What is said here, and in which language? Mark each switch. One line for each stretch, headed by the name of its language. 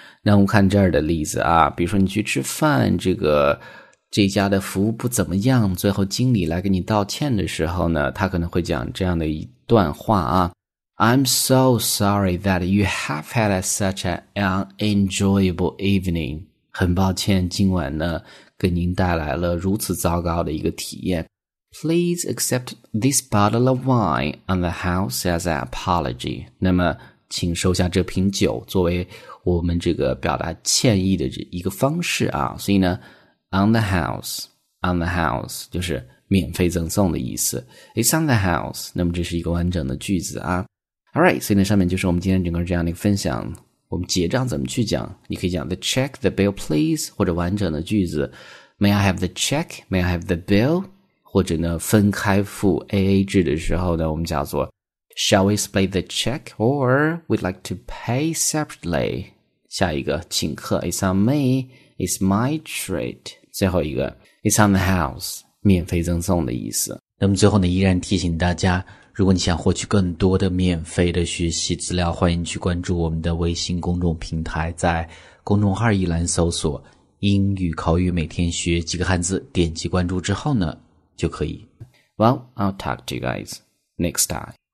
Chinese: 那我们看这儿的例子啊，比如说你去吃饭，这家的服务不怎么样，最后经理来给你道歉的时候呢，他可能会讲这样的一段话啊 I'm so sorry that you have had such an unenjoyable evening. 很抱歉今晚呢给您带来了如此糟糕的一个体验。
English: Please accept this bottle of wine on the house as an apology.
Chinese: 那么请收下这瓶酒作为我们这个表达歉意的一个方式啊。所以呢 on the house, 就是免费赠送的意思。
English: It's on the house.
Chinese: 那么这是一个完整的句子啊。Alright, 所以呢上面就是我们今天整个这样的一个分享。我们结账怎么去讲，你可以讲 the check, the bill, please, 或者完整的句子 May I have the check, may I have the bill, 或者呢分开付 AA 制的时候呢我们叫做 Shall we split the check, or we'd like to pay separately?
English: 下一个请客 It's on me, it's my treat.
Chinese: 最后一个 It's on the house, 免费赠送的意思。那么最后呢依然提醒大家，如果你想获取更多的免费的学习资料，欢迎去关注我们的微信公众平台，在公众号一栏搜索英语口语每天学几个汉字，点击关注之后呢就可以。
English: Well, I'll talk to you guys next time.